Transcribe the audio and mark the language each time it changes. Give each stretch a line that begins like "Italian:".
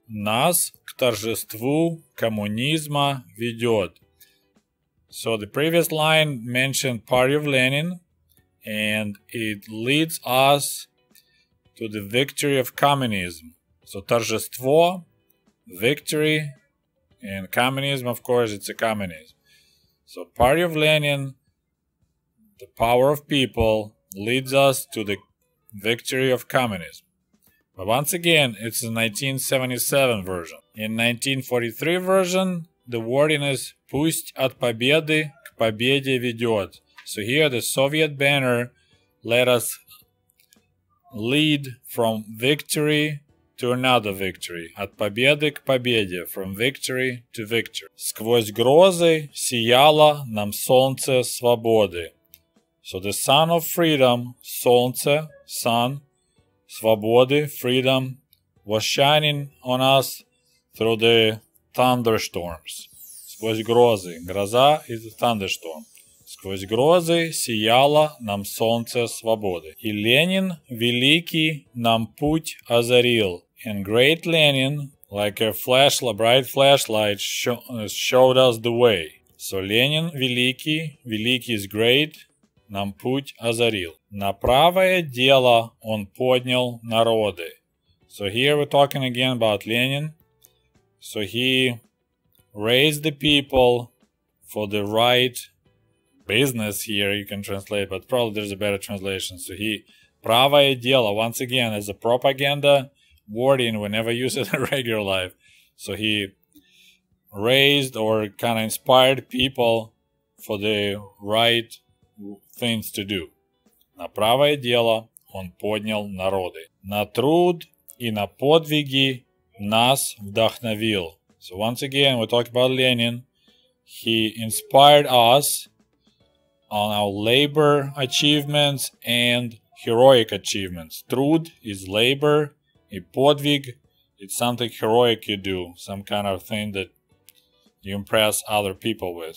Russian: Нас к торжеству коммунизма ведет.
English: So the previous line mentioned Party of Lenin, and it leads us to the victory of communism. So торжество, victory, and communism, of course, it's a communism. So Party of Lenin, the power of people, leads us to the victory of communism. But once again, it's the 1977 version. In 1943 version, the wording is
Russian: «Пусть от победы к победе ведет».
English: So here the Soviet banner let us lead from victory to another victory.
Russian: От победы к победе,
English: from victory to victory.
Russian: «Сквозь грозы сияло нам солнце свободы».
English: So the sun of freedom, солнце, sun, свободы, freedom, was shining on us through the thunderstorms.
Russian: Сквозь грозы.
English: Гроза is a thunderstorm.
Russian: Сквозь грозы сияло нам солнце свободы. И Ленин великий нам путь озарил.
English: And great Lenin, like a flashlight, bright flashlight, showed us the way.
Russian: So Ленин великий, великий
English: is great.
Russian: Нам путь озарил. На правое дело он поднял народы.
English: So here we're talking again about Lenin. So he raised the people for the right business here. You can translate, but probably there's a better translation. So he,
Russian: правое дело,
English: once again, as a propaganda wording, we never use it in regular life. So he raised or kind of inspired people for the right things to do.
Russian: На правое дело он поднял народы. На труд и на подвиги нас вдохновил.
English: So once again, we talk about Lenin. He inspired us on our labor achievements and heroic achievements. Труд is labor. И подвиг, it's something heroic you do. Some kind of thing that you impress other people with.